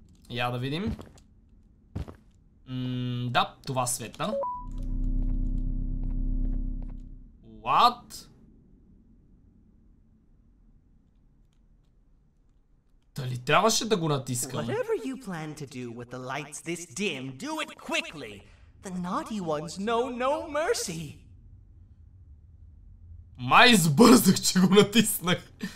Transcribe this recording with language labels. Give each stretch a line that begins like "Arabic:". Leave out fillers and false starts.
Bulgarian: Я да видим. Да, това светна.
English: What?
Bulgarian: Дали трябваше да го натискам?
English: Whatever you plan to do with the lights this dim, do it quickly. The naughty ones know no mercy.
Bulgarian: Май избързах, че го натиснах.